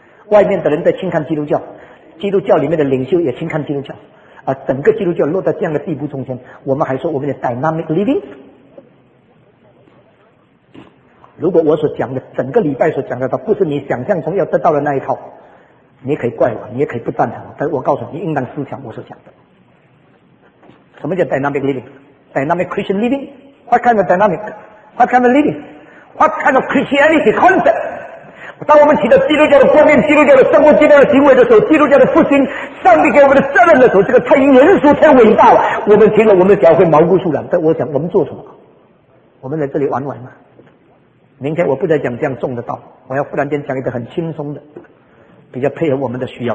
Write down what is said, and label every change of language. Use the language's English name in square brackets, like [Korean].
[Chinese] 外面的人在轻看基督教，基督教里面的领袖也轻看基督教，而整个基督教落在这样的地步中间，我们还说我们的 [English] dynamic living。 [Chinese] 如果我所讲的整个礼拜所讲的都不是你想象中要得到的那一套，你也可以怪我，你也可以不赞成我，但是我告诉你，你应当思想我所讲的。什么叫 [English] dynamic living? Dynamic Christian living? What kind of dynamic? What kind of living? What kind of Christianity concept? [Chinese] 当我们提到基督教的观念、基督教的生活、基督教的行为的时候，基督教的复兴、上帝给我们的责任的时候，这个太严肃、太伟大了。我们听了，我们的脚会毛骨悚然。但我想，我们做什么？我们在这里玩玩吗？明天我不再讲这样重的道，我要忽然间讲一个很轻松的，比较配合我们的需要。